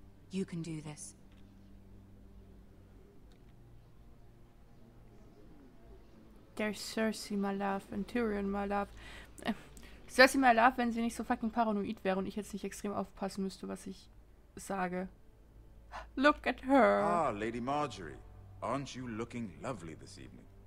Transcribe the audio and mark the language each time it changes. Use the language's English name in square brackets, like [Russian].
[English] You can do this. There's Cersei, my love, and Tyrion, my love. [German] Cersei, [English] my love, [German] wenn sie nicht so fucking paranoid wäre und ich jetzt nicht extrem aufpassen müsste, was ich sage. [English] Look at her. Ah, Lady Marjorie, aren't you looking lovely this evening?